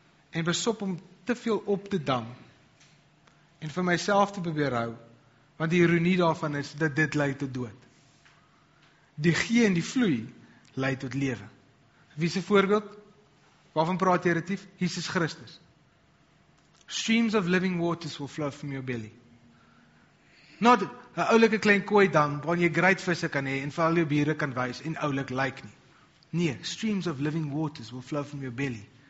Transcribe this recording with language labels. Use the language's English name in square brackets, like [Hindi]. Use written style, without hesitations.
[Afrikaans] En besop om te veel op te dam, en vir myself te probeer hou, want die ironie daarvan is, dat dit lei tot dood. Die gee en die vloei, lei tot lewe. Wie is een voorbeeld? Waarvan praat jy retief? Jesus Christus. [English] Streams of living waters will flow from your belly. Not a [Afrikaans] oulike klein kooi dam, waar jy great visse kan hê, en vir al jou bure kan wys, en oulik lyk nie. Nee, [English] streams of living waters will flow from your belly.